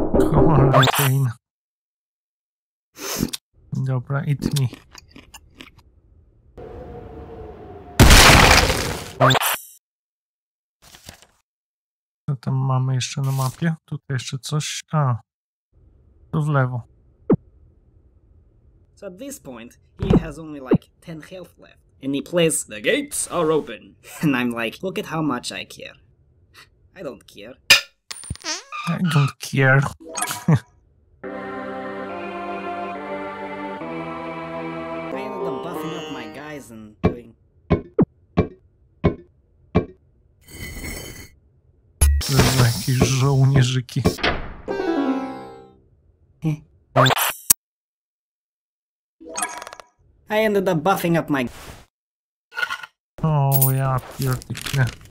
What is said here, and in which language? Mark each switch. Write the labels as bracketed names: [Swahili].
[English] Quarantine. Dobra, eat me. [Polish] Co tam mamy jeszcze na mapie? Tutaj jeszcze coś. A, tu w lewo. [English] So at this point, he has only like 10 health left. And he plays, the gates are open. And I'm like, look at how much I care. I don't care. I don't care. I ended up buffing up my guys and doing... [Polish] To jest jakieś żołnierzyki. [English] I ended up buffing up my oh yeah, pure yeah.